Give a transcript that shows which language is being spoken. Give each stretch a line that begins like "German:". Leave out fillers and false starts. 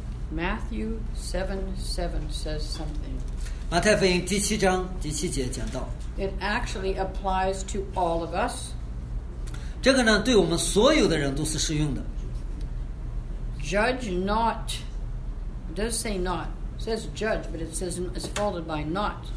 English: Matthew 7:7 says something.
Chinese: 马太福音第七章第七节讲到
English: It actually applies to all of us.
Chinese: 这个呢对我们所有的人都是适用的
English: Judge not. It does say not. It says judge, but it says it's followed by not.